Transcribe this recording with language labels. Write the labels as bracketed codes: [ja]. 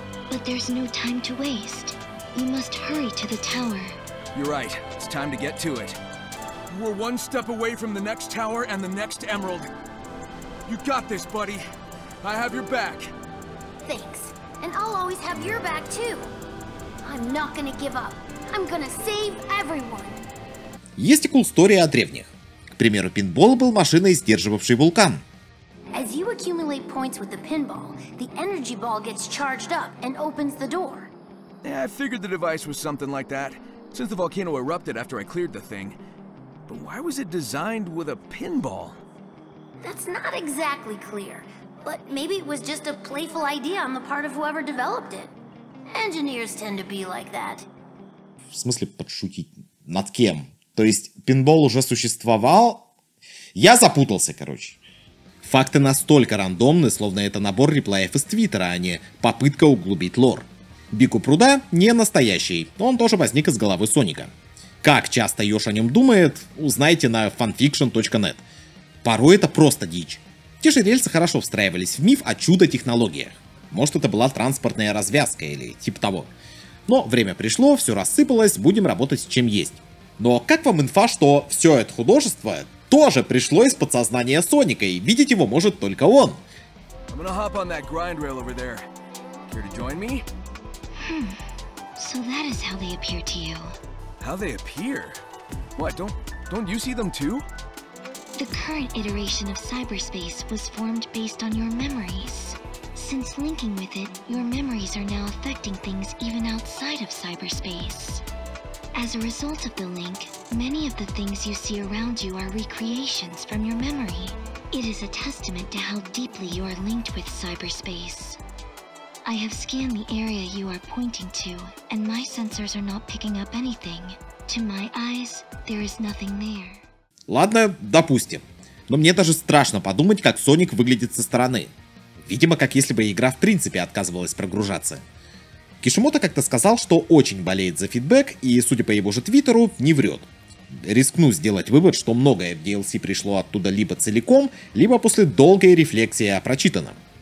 [en] But there's no time to waste. You must hurry to the tower. You're right. It's time to get to it. We're one step away from the next tower and the next emerald. You got this, buddy. I have your back. Thanks. And I'll always have your back, too. I'm not gonna give up. I'm gonna save everyone. [ru] Есть и кулстория о древних. К примеру, пинбол был машиной, сдерживавшей вулкан. [en] As you accumulate points with the pinball, the energy ball gets charged up and opens the door. Yeah, I figured the device was something like that, since the volcano erupted after I cleared the thing. But why was it designed with a pinball? That's not exactly clear, but maybe it was just a playful idea on the part of whoever developed it. Engineers tend to be like that. [ru] В смысле подшутить? Над кем? То есть пинбол уже существовал? Я запутался, короче. Факты настолько рандомны, словно это набор реплаев из Твиттера, а не попытка углубить лор. Биг у пруда не настоящий, он тоже возник из головы Соника. Как часто Йош о нем думает, узнайте на fanfiction.net. Порой это просто дичь. Те же рельсы хорошо встраивались в миф о чудо-технологиях. Может, это была транспортная развязка или типа того. Но время пришло, все рассыпалось, будем работать с чем есть. Но как вам инфа, что все это художество тоже пришло из подсознания Соника, и видеть его может только он? [en] I'm gonna hop on that grind rail over there. Care to join me? So that is how they appear to you. How they appear? What, don't you see them too? The current iteration of cyberspace was formed based on your memories. Since linking with it, your memories are now affecting things even outside of cyberspace. As a result of the link, many of the things you see around you are recreations from your memory. It is a testament to how deeply you are linked with cyberspace. I have scanned the area you are pointing to, and my sensors are not picking up anything. To my eyes, there is nothing there. [ru] Ладно, допустим. Но мне даже страшно подумать, как Соник выглядит со стороны. Видимо, как если бы игра в принципе отказывалась прогружаться. Кишимото как-то сказал, что очень болеет за фидбэк, и, судя по его же твиттеру, не врет. Рискну сделать вывод, что многое в DLC пришло оттуда либо целиком, либо после долгой рефлексии о прочитанном.